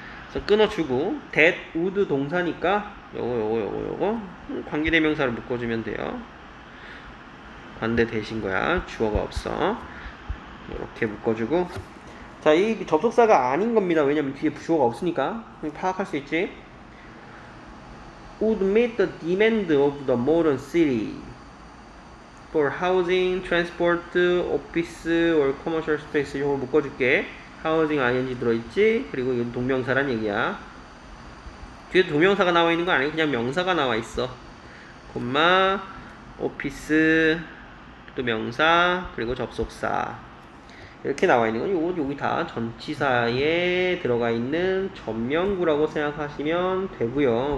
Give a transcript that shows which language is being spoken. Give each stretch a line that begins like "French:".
Korean: 그래서 끊어주고
English: that would
Korean: 동사니까 요거 관계대명사를 묶어주면 돼요. 반대 되신 거야. 주어가 없어. 이렇게 묶어주고. 자, 이 접속사가 아닌 겁니다. 왜냐면 뒤에 주어가 없으니까. 파악할 수 있지.
English: Would meet the demand of the modern city for housing, transport, office or commercial space.
Korean: 이걸 묶어줄게. Housing ing 들어있지. 그리고 이건 동명사란 얘기야. 뒤에 동명사가 나와 있는 거 아니야. 그냥 명사가 나와 있어. 콤마, 오피스. 또 명사 그리고 접속사 이렇게 나와 있는 건 여기 다 전치사에 들어가 있는 전명구라고 생각하시면 되고요.